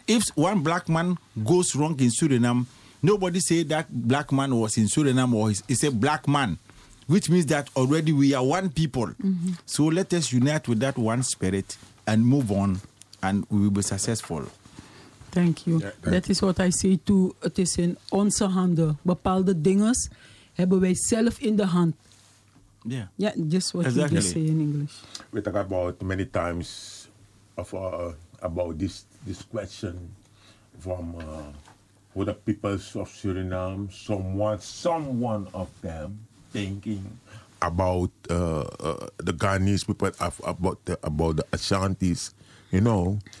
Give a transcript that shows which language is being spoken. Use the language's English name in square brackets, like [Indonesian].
[English] If one black man goes wrong in Suriname, nobody say that black man was in Suriname or is a black man, which means that already we are one people. So let us unite with that one spirit and move on, and we will be successful. Thank you. Yeah, thank that you. Is what I say too. It is [Dutch] in onze handen. Bepaalde dingen hebben wij zelf in de hand. [English] Yeah. Yeah, just what exactly. You just say in English. We talk about many times of about this question from what the people of Suriname, someone of them thinking about the Ghanese people, about the Ashantis, you know.